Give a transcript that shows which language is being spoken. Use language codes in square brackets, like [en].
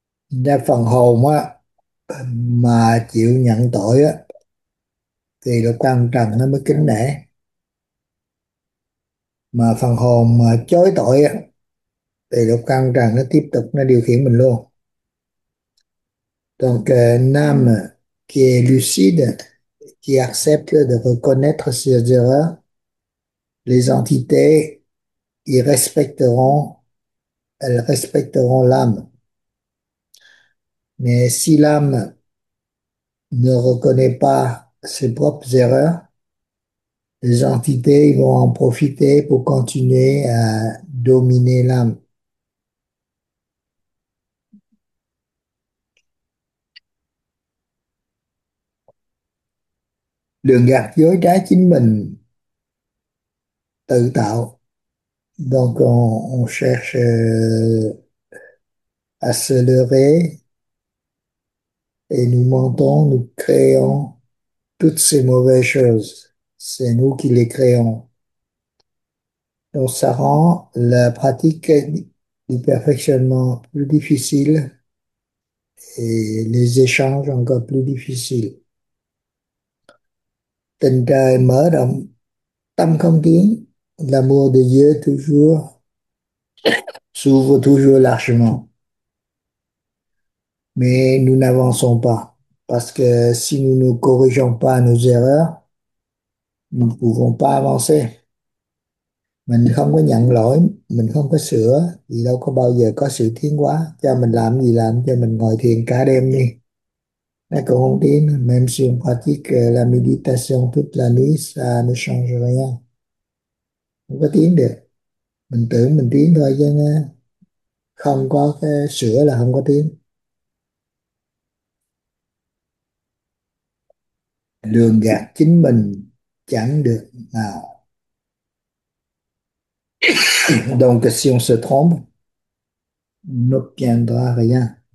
[vi] Đa phần hồn á mà chịu nhận tội á thì lục căn trần nó mới kính nể, mà phần hồn mà chối tội á thì lục căn trần nó tiếp tục nó điều khiển mình luôn. [fr] Donc nam qui est lucide, qui accepte de reconnaître ses erreurs, les entités y respecteront, elles respecteront l'âme. Mais si l'âme ne reconnaît pas ses propres erreurs, les entités vont en profiter pour continuer à dominer l'âme. [vi] Lường gạt dối trá chính mình tự tạo. [fr] Donc on cherche à se leurrer. Et nous mentons, nous créons toutes ces mauvaises choses. C'est nous qui les créons. Donc, ça rend la pratique du perfectionnement plus difficile et les échanges encore plus difficiles. Tendai Tam Kong l'amour de Dieu toujours s'ouvre toujours largement. Mais nous n'avançons pas, parce que si nous ne corrigeons pas nos erreurs, nous ne pouvons pas avancer. [vi] Mình không có nhận lỗi, mình không có sửa thì đâu có bao giờ có sự tiến hóa. Cho mình làm gì làm, cho mình ngồi thiền cả đêm đi. Nó cũng không tiến. [fr] Même si on pratique la méditation toute la nuit, ça ne change rien. [vi] Không có tiến được. Mình tưởng mình tiến thôi chứ không có cái sửa là không có tiến. Lường gạt chính mình chẳng được nào. [fr] Donc, si on se trompe, n'obtiendra rien.